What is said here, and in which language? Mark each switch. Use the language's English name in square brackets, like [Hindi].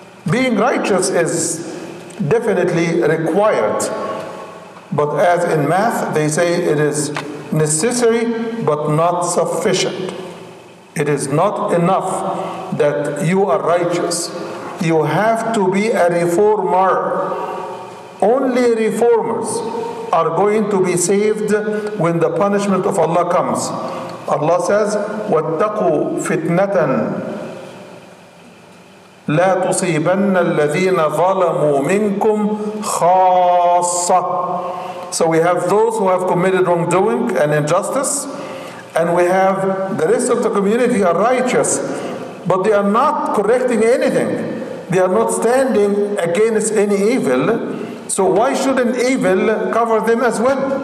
[English] Being righteous is definitely required, but as in math, they say it is necessary but not sufficient. It is not enough that you are righteous. You have to be a reformer. Only reformers are going to be saved when the punishment of Allah comes. Allah says, [Arabic] وَاتَّقُوا فِتْنَةً لَا تُصِيبَنَّ الَّذِينَ ظَلَمُوا مِنْكُمْ خَاصَّةً. [English] So we have those who have committed wrongdoing and injustice, and we have the rest of the community are righteous, but they are not correcting anything. They are not standing against any evil. So why shouldn't evil cover them as well?